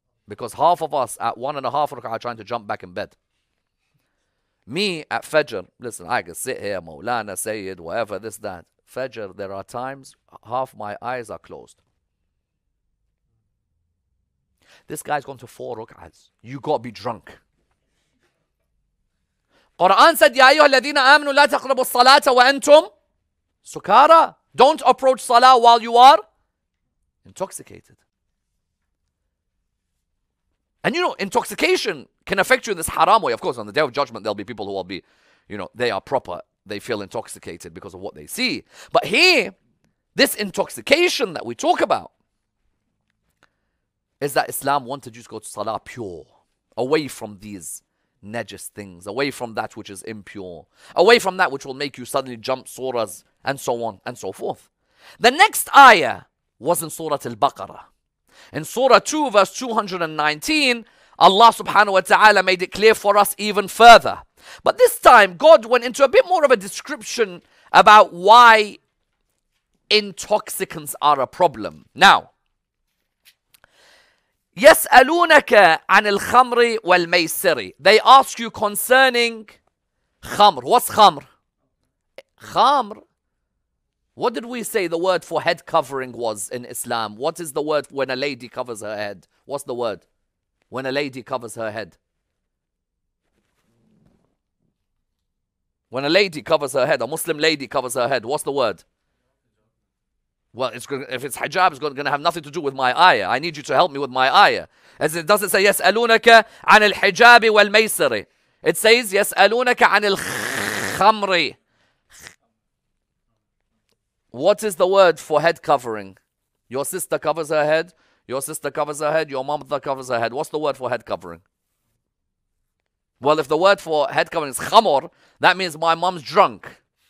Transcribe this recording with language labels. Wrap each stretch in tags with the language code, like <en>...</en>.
<en>Because half of us at 1.5 Ruk'ah are trying to jump back in bed. Me at Fajr, listen, I can sit here, Mawlana, Sayyid, whatever, this, that. Fajr, there are times half my eyes are closed. This guy's gone to 4 Ruk'ahs. You got to be drunk. Quran said,</en> <ar>يَا أَيُّهَا الَّذِينَ آمِنُوا لَا تَقْرَبُوا الصَّلَاةَ وَأَنْتُمْ سُكَارَى.</ar> <en>Don't approach salah while you are intoxicated. And you know, intoxication can affect you in this haram way. Of course, on the Day of Judgment, there'll be people who will be, you know, they are proper. They feel intoxicated because of what they see. But here, this intoxication that we talk about is that Islam wanted you to go to salah pure, away from these najis things, away from that which is impure, away from that which will make you suddenly jump surahs, and so on and so forth. The next ayah was in Surah Al-Baqarah. In Surah 2, verse 219, Allah subhanahu wa ta'ala made it clear for us even further. But this time, God went into a bit more of a description about why intoxicants are a problem. Now,</en> <ar>يَسْأَلُونَكَ عَنِ الْخَمْرِ وَالْمَيْسِرِ.</ar> <en>They ask you concerning khamr. What's khamr? Khamr? What did we say the word for head covering was in Islam? What is the word when a lady covers her head? What's the word when a lady covers her head? When a lady covers her head, a Muslim lady covers her head, what's the word? Well, if it's hijab, it's going to have nothing to do with my ayah. I need you to help me with my ayah. As it doesn't say,</en> <ar>يَسْأَلُونَكَ عَنِ الْحِجَابِ وَالْمَيْسَرِ.</ar> <en>It says,</en> <ar>يَسْأَلُونَكَ عَنِ الْخَمْرِ.</ar> <en>What is the word for head covering? Your sister covers her head. Your sister covers her head. Your mother covers her head. What's the word for head covering? Well, if the word for head covering is khamor, that means my mom's drunk.</en>